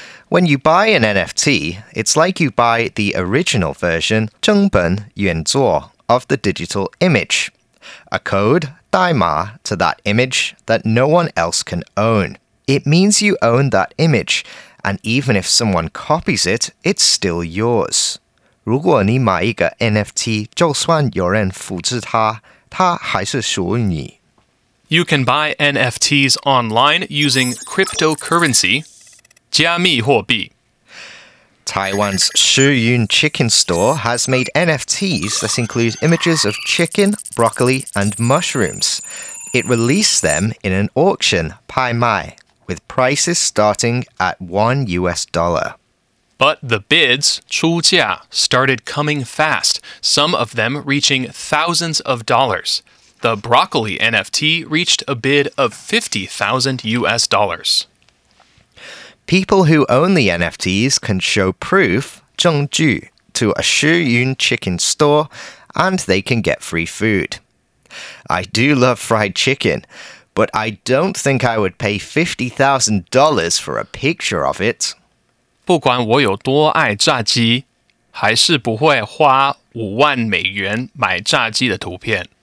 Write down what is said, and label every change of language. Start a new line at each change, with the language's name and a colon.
English: When you buy an NFT, it's like you buy the original version,
Chinese: 正本原作,
English: of the digital image. A code,
Chinese: 代码,
English: to that image that no one else can own. It means you own that image, and even if someone copies it, it's still yours.
Chinese: 如果你买一个 NFT, 就算有人复制它,它还是属于你。
English: You can buy NFTs online using cryptocurrency,
Chinese: 加密货币.
English: Taiwan's Shi Yun Chicken Store has made NFTs that include images of chicken, broccoli, and mushrooms. It released them in an auction,
Chinese: 拍卖,
English: with prices starting at $1. But the bids,
Chinese: 出价,
English: started coming fast, some of them reaching thousands of dollars. The broccoli NFT reached a bid of $50,000. People who own the NFTs can show proof,
Chinese: 证据,
English: to a Shi Yun chicken store, and they can get free food. I do love fried chicken, but I don't think I would pay $50,000 for a picture of it.
Chinese: 不管我有多爱炸鸡，还是不会花$50,000买炸鸡的图片。